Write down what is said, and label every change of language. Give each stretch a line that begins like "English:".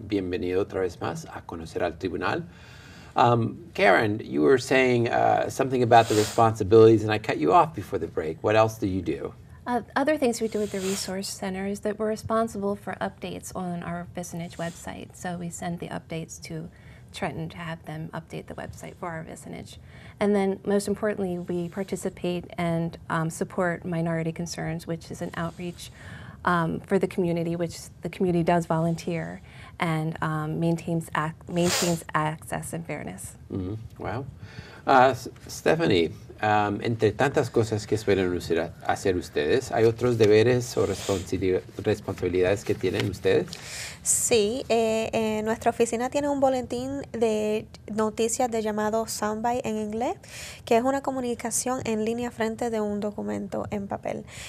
Spanish: Bienvenido otra vez más a conocer al tribunal.
English: Karen, you were saying something about the responsibilities, and I cut you off before the break. What else do you do? Other things we do at the Resource Center is that we're responsible for updates on our vicinage website. So we send the updates to Trenton to have them update the website for our vicinage. And then most importantly, we participate and support Minority Concerns, which is an outreach for the community, which the community does volunteer and maintains access and fairness. Mm-hmm. Wow.
Spanish: Stephanie, entre tantas cosas que suelen hacer ustedes, ¿hay otros deberes o responsabilidades que tienen ustedes? Sí, nuestra oficina tiene un boletín de noticias de llamado Soundbite en inglés, que es una comunicación en línea frente de un documento en papel.